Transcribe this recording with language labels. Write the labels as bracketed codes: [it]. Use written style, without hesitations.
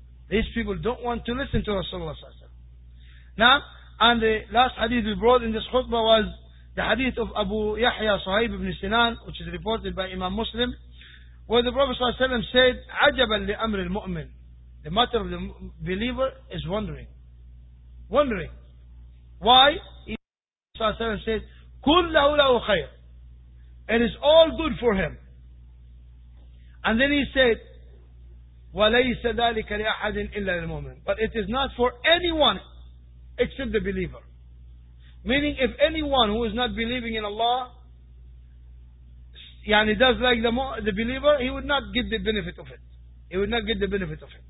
[en] These people don't want to listen to Rasulullah. Now, and the last hadith we brought in this khutbah was the hadith of Abu Yahya Sahib ibn Sinan, which is reported by Imam Muslim, where the Prophet ﷺ said, [ar] عَجَبًا لِأَمْرِ الْمُؤْمِنِ. [en] The matter of the believer is wondering. Wondering. Why? Imam ﷺ said, [ar] كُلَّهُ لَهُ خَيْرٌ. [en] It is all good for him. And then he said, [ar] وَلَيْسَ ذَلِكَ لِأَحَدٍ إِلَّا الْمُؤْمِنِ. [en] But it is not for anyone except the believer. Meaning, if anyone who is not believing in Allah, yani does like the believer, he would not get the benefit of it. He would not get the benefit of it.